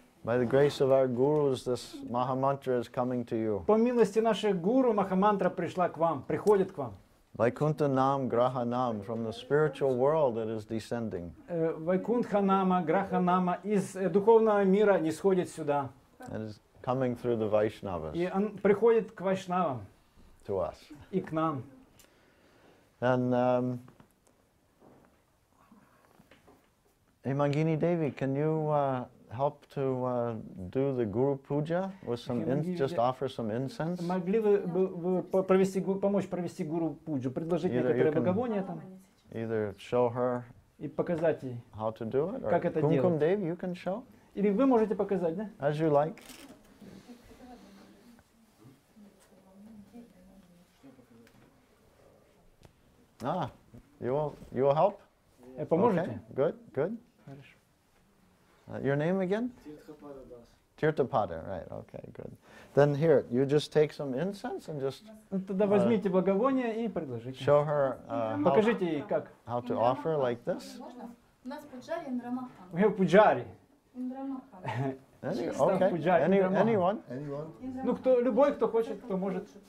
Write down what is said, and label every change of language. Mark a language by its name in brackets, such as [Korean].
[English] By the grace of our gurus, this Maha Mantra is coming to you. [Russian] По милости наших гуру Маха Мантра пришла к вам, приходит к вам. [English] Vaikuntha Nam Graha Nam, from the spiritual world it is descending. [Russian] Vaikuntha Nama Graha Nama из духовного мира нисходит сюда. [English] It is coming through the Vaishnavas. [Russian] И он приходит к Вайшнавам. [English] To us. [Russian] И к нам. [English] And Imangini Devi, can you help to do the Guru Puja with some just offer some incense. [Russian] Могли вы провести помочь провести Guru Puja, предложить некоторые благовония там? [English] Either show her [Russian] и показать ей [English] how to do it, [Russian] как это делать. [English] Kumkum Dev, you can show. [Russian] Или вы можете показать, да? [English] As you like. You will help? [Russian] Поможете? [English] Okay. Good. Your name again? Tirthapada, right, okay, good. Then here, you just take some incense and just... [Russian] Тогда возьмите благовоние и предложите. [English] Show her [Russian] покажите ей как. [English] How to offer like this. [Russian] У нас пуджари индрамахам. [English] We have pujari. Okay, anyone. [Russian] Ну, кто, любой, кто хочет, кто может.